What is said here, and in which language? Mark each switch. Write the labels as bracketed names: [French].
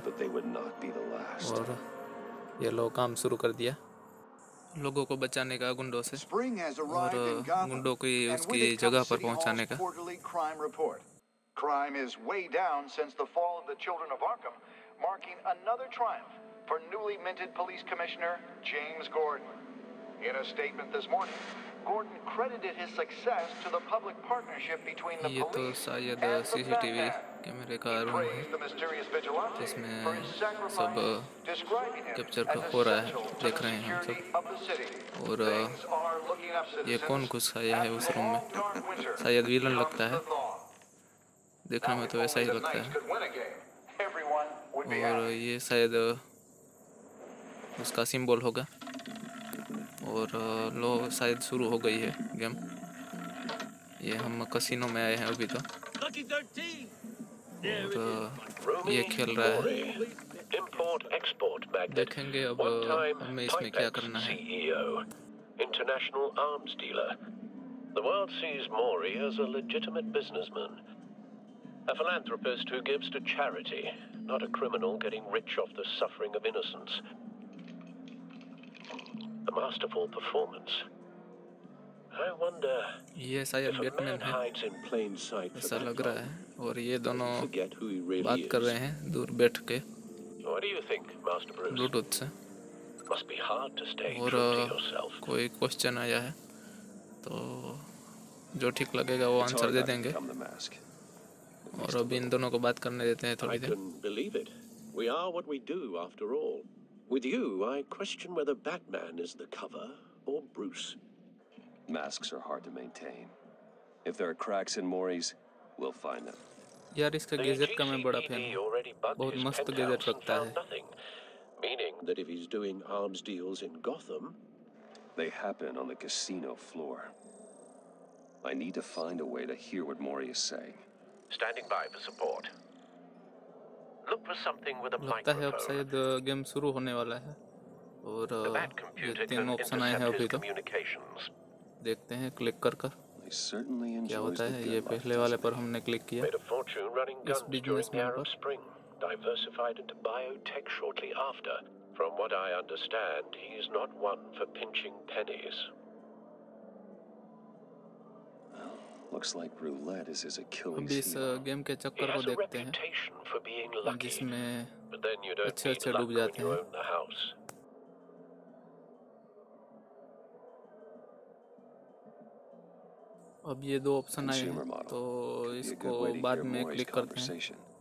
[Hindi] और ये लो काम शुरू कर दिया लोगों को बचाने का गुंडों से और गुंडों को उसकी जगह पर पहुंचाने का। [English] Crime is way down since the fall of the Children of Arkham, marking another triumph for newly minted police commissioner James Gordon. In a statement this morning, Gordon credited his success to the public partnership between the police and the [Hindi] CCTV camera का room है, जिसमें सब capture हो रहा है, देख रहे हैं सब। और ये कौन घुस आया है उस रूम में, शायद विलन लगता है, देखने में तो ऐसा ही लगता है। और ये शायद उसका सिंबल होगा। और लो शायद शुरू हो गई है गेम, ये हम कैसीनो में आए हैं अभी तो। और ये खेल रहा है, देखेंगे अब हमें इसमें क्या करना है। [English] International arms dealer, the world sees Mori as a legitimate businessman, a philanthropist who gives to charity, not a criminal getting rich off the suffering of innocents. A masterful performance. I wonder. Yes, I am Batman. Hides in plain sight. [Hindi] ऐसा लग रहा है। और ये दोनों बात कर रहे हैं दूर बैठ के। [English] What do you think, Master Bruce? [Hindi] Bluetooth से. [English] Must be hard to stay true to yourself. [Hindi] और कोई क्वेश्चन आया है, तो जो ठीक लगेगा वो आंसर दे देंगे। और अब इन दोनों को बात करने देते हैं थोड़ी देर। [English] I couldn't believe it. We are what we do, after all. With you, I question whether Batman is the cover or Bruce. Masks are hard to maintain. If there are cracks in Morrie's, we'll find them. [Hindi] यार इसका gadget का मैं बड़ा fan हूँ, बहुत मस्त gadget रखता है। [English] Meaning that if he's doing arms deals in Gotham, they happen on the casino floor. I need to find a way to hear what Morrie is saying. Standing by for support. Look for something with a microphone. [Hindi] लगता है अब शायद game शुरू होने वाला है। और ये तीन ऑप्शन आए हैं अभी तो, देखते हैं क्लिक कर कर क्या होता है। ये पहले वाले पर हमने क्लिक किया, इस बिजनेस में पर [English] Spring diversified into biotech shortly after. From what I understand he is not one for pinching pennies. Looks like roulette is his Achilles. [Hindi] अब इस गेम के चक्कर को देखते हैं जिसमें अच्छे अच्छे डूब जाते हैं. अब ये दो ऑप्शन आए हैं तो इसको बाद में क्लिक करते हैं.